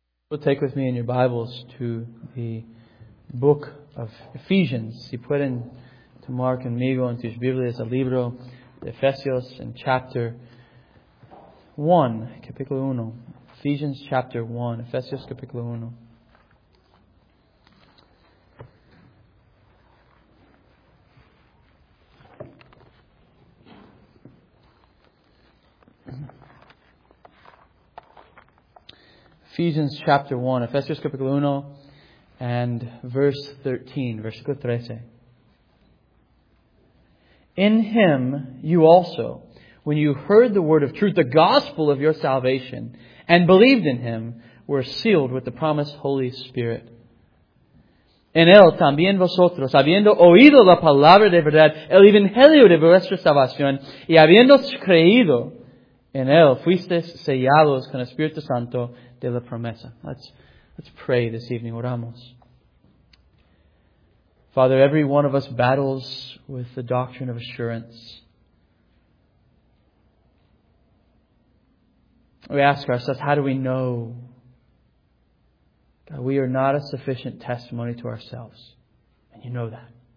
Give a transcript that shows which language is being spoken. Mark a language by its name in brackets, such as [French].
[English] Well, take with me in your Bibles to the book of Ephesians. [Spanish] Si pueden tomar conmigo en tus Biblias el libro de Efesios en [English] chapter 1, [Spanish] capítulo 1. [English] Ephesians chapter 1, [Spanish] Efesios capítulo 1. [English] Ephesians chapter 1, [Spanish] Efesios capítulo 1, [English] and verse 13, [Spanish] versículo 13. [English] In him you also, when you heard the word of truth, the gospel of your salvation, and believed in him, were sealed with the promised Holy Spirit. [Spanish] En él también vosotros, habiendo oído la palabra de verdad, el evangelio de vuestra salvación, y habiendo creído en él, fuisteis sellados con el Espíritu Santo de la promesa. [English] Let's pray this evening. [Spanish] Oramos. [English] Father, every one of us battles with the doctrine of assurance. We ask ourselves, how do we know that we are not a sufficient testimony to ourselves? And you know that.